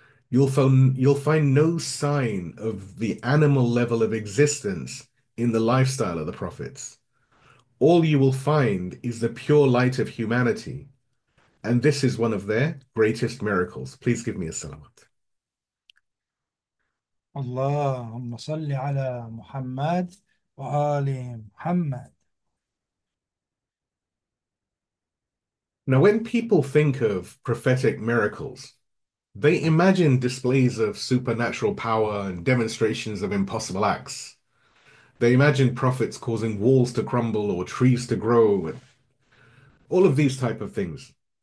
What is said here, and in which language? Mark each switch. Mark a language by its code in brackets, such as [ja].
[en] You'll find no sign of the animal level of existence in the lifestyle of the prophets. All you will find is the pure light of humanity, and this is one of their greatest miracles. Please give me a salawat. [ar] اللهم صل على محمد وآل محمد. [en] Now, when people think of prophetic miracles, they imagine displays of supernatural power and demonstrations of impossible acts. They imagine prophets causing walls to crumble or trees to grow, and all of these type of things.